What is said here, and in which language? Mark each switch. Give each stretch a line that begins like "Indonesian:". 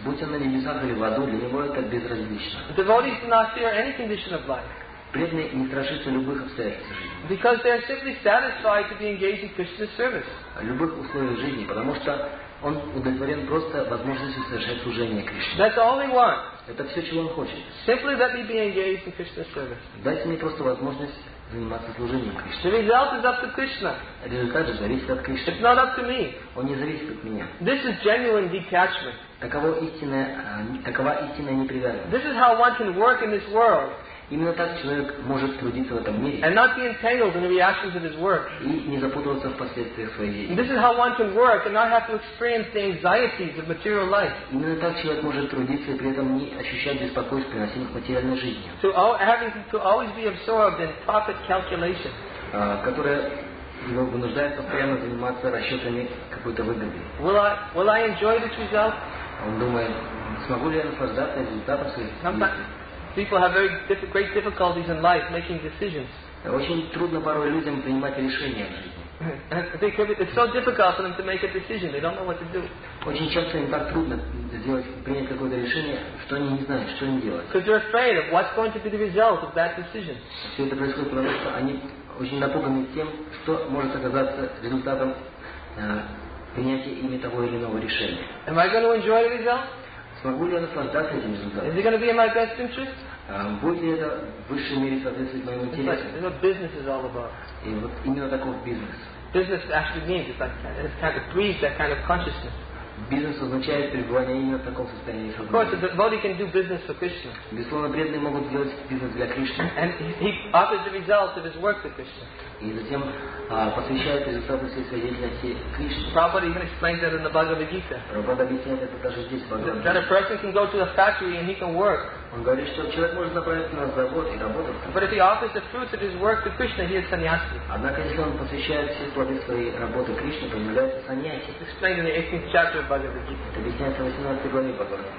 Russian: Будь он на небесах или в аду, для него это безразлично.
English: Devotees do not fear any condition of life.
Russian: Преданные не страшатся любых обстоятельств жизни.
English: Because they are simply satisfied to be engaged in Krishna's service.
Russian: Любых условий жизни, потому что он удовлетворен просто возможностью совершать служение Кришне.
English: That's all he wants.
Russian: Это все, чего он хочет.
English: Simply let me be engaged in Krishna's service.
Russian: Дайте мне просто возможность заниматься служением Кришне.
English: The result is up to Krishna.
Russian: Результат же зависит от Кришны.
English: It's not up to me.
Russian: Он не зависит от меня.
English: This is genuine detachment.
Russian: Такова истинная непривязанность.
English: This is how one can work in this world.
Russian: Именно так человек может трудиться в этом мире.
English: And not be entangled in the reactions of his work.
Russian: И не запутываться в последствиях своей деятельности.
English: This is how one can work and not have to experience the anxieties of material life.
Russian: Именно так человек может трудиться и при этом не ощущать беспокойств, приносимых материальной жизнью.
English: To always be absorbed in profit calculation.
Russian: Которая его вынуждает постоянно заниматься расчетами какой-то выгоды.
English: Will I enjoy this result?
Russian: Он думает, смогу ли я наслаждаться результатом своих действий?
English: People have very great difficulties in life making decisions.
Russian: Очень трудно порой людям принимать решения в жизни.
English: It's so difficult for them to make a decision. They don't know what to do.
Russian: Очень часто им так трудно принять какое-то решение, что они не знают, что им делать.
English: Because they're afraid of what's going to be the result of that decision.
Russian: Все это происходит потому, что они очень напуганы тем, что может оказаться результатом принятия ими того или иного решения.
English: Am I going to enjoy the result?
Russian: Смогу ли я наслаждаться этим результатом?
English: Is it going to be in my best interest?
Russian: Будет ли это в высшей мере соответствовать моим интересам?
English: It's what business is all about.
Russian: И вот именно такой бизнес.
English: Business actually means it's kind of breeds that kind of consciousness.
Russian: Бизнес означает пребывание именно в таком состоянии.
English: Of course, the body can do business for Krishna.
Russian: Безусловно, преданные могут делать бизнес для Кришны.
English: And he offers the results of his work to Krishna.
Russian: И затем посвящает результаты всей своей деятельности Кришне.
English: Prabhupada even explains that in the Bhagavad Gita.
Russian: Прабхупада объясняет это даже здесь, в Бхагавад-гите.
English: That a person can go to a factory and he can work. But if he offers the fruits of his work to Krishna, he is sannyasi. Explained in the 18th chapter of Bhagavad Gita.